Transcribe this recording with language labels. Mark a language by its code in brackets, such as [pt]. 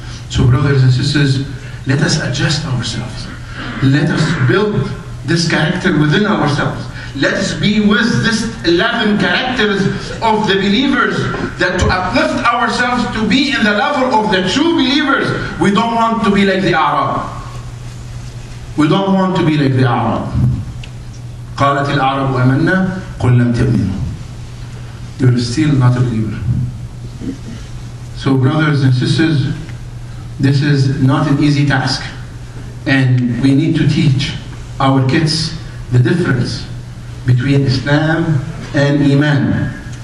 [en] So brothers and sisters, let us adjust ourselves. Let us build this character within ourselves. Let us be with this 11 characters of the believers, that to uplift ourselves to be in the level of the true believers. We don't want to be like the Arab. We don't want to be like the Arab. [ar] قالت العرب أمنا قل لم تؤمنوا. [en] You're still not a believer. So brothers and sisters, this is not an easy task. And we need to teach our kids the difference between Islam and Iman.